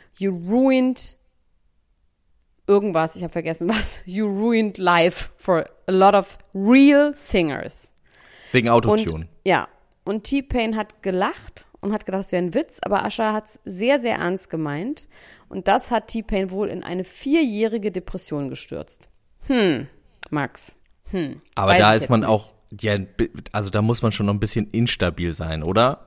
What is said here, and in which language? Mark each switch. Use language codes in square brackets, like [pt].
[en] You ruined [de] irgendwas, ich habe vergessen was. [en] You ruined life for a lot of real singers. [de] Wegen Autotune. Und T-Pain hat gelacht. Und hat gedacht, es wäre ein Witz, aber Usher hat es sehr, sehr ernst gemeint. Und das hat T-Pain wohl in eine 4-jährige Depression gestürzt. Max. Aber da ist man auch, ja, also da muss man schon noch ein bisschen instabil sein, oder?